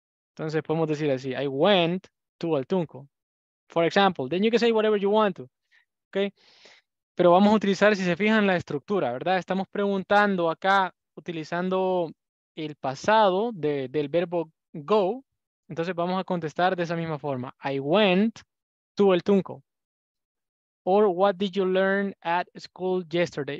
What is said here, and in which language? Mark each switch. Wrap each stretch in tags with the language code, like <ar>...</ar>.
<es>Entonces podemos decir así,</es> <en>I went to El Tunco. For example, then you can say whatever you want to, okay?</en> <es>Pero vamos a utilizar, si se fijan, la estructura, ¿verdad? Estamos preguntando acá, utilizando el pasado del verbo go. Entonces vamos a contestar de esa misma forma.</es> <en>I went to El Tunco. Or what did you learn at school yesterday?</en>